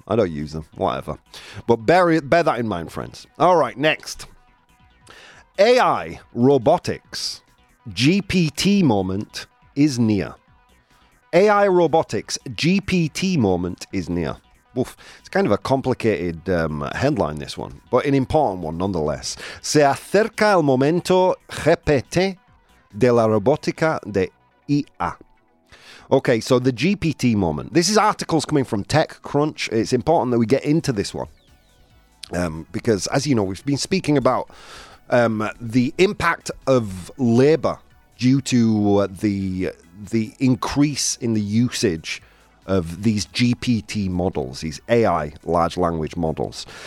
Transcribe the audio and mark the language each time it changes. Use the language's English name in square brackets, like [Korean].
[English] I don't use them. Whatever. But bear that in mind, friends. All right, next. AI robotics GPT moment is near. AI robotics GPT moment is near. Oof, it's kind of a complicated headline, this one, but an important one nonetheless. [Spanish] Se acerca el momento GPT de la robótica de IA. [English] Okay, so the GPT moment. This is articles coming from TechCrunch. It's important that we get into this one because, as you know, we've been speaking about the impact of labor due to the increase in the usage of these GPT models, these AI large language models.